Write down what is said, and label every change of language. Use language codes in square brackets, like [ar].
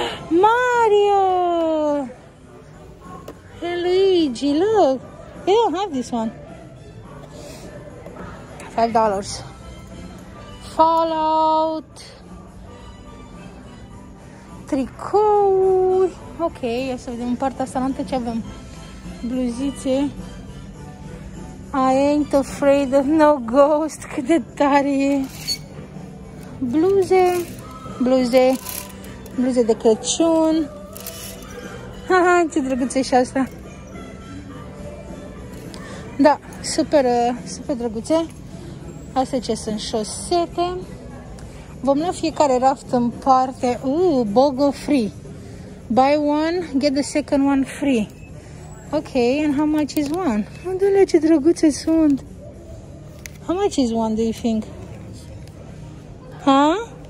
[en] Mario. Hey Luigi, look. I don't have this one. $5. Fallout. [ro] Tricouri. Ok, ia să vedem partea asta înainte ce avem. Bluzițe. [en] I ain't afraid of no ghost. [ro] Cât de tare e. Bluze. Bluze. Bluze de Crăciun. Haha, ce drăguță e și asta. Da, super, super drăguțe. Astea ce sunt șosete. Vom lua fiecare raft în parte. [en] Bogo free. Buy one, get the second one free. Ok, and how much is one? [ro] Undele, ce drăguțe sunt. [en] How much is one, do you think? Huh?